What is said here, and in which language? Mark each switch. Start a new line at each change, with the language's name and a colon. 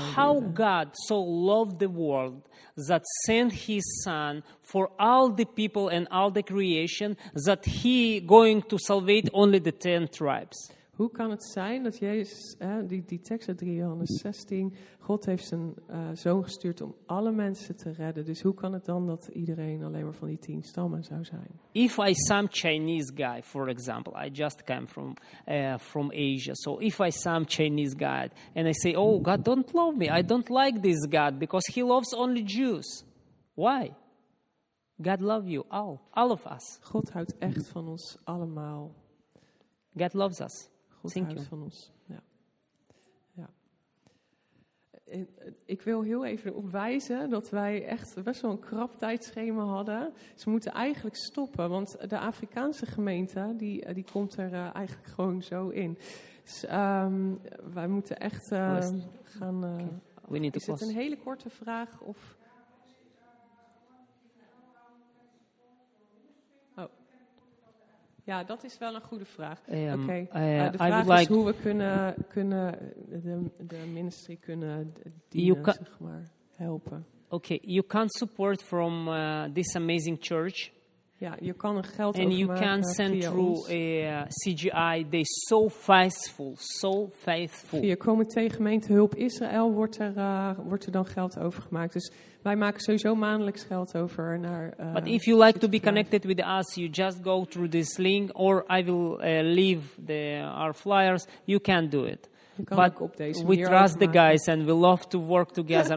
English: How God so loved the world that sent his son for all the people and all the creation that he going to salvate only the 10 tribes.
Dutch: Hoe kan het zijn dat Jezus, die tekst uit 3 Johannes 16, God heeft zijn zoon gestuurd om alle mensen te redden. Dus hoe kan het dan dat iedereen alleen maar van die 10 stammen zou zijn?
English: If I some Chinese guy, for example, I just came from Asia. So if I some Chinese guy and I say, oh, God don't love me. I don't like this God because he loves only Jews. Why? God love you all of us.
Dutch: God houdt echt van ons allemaal.
English: God loves us.
Dutch: Goed van ons. Ja. Ja. Ik wil heel even opwijzen dat wij echt best wel een krap tijdschema hadden. Ze moeten eigenlijk stoppen, want de Afrikaanse gemeente die komt er eigenlijk gewoon zo in. Dus wij moeten echt gaan.
English: Okay.
Dutch: Is het een hele korte vraag of? Ja, dat is wel een goede vraag. Okay. De vraag is hoe we kunnen de ministry kunnen dienen, zeg maar, helpen.
English: Okay, you can support from this amazing church.
Dutch: Ja, je kan geld overmaken via ons.
English: And you can send through CGI. They're so faithful, so faithful.
Dutch: Via Comité Gemeente Hulp Israël wordt er dan geld overgemaakt. Dus wij maken sowieso maandelijks geld over naar.
English: But if you like to be connected with us, you just go through this link, or I will leave our flyers. You can do it. But we trust the guys and we love to work together.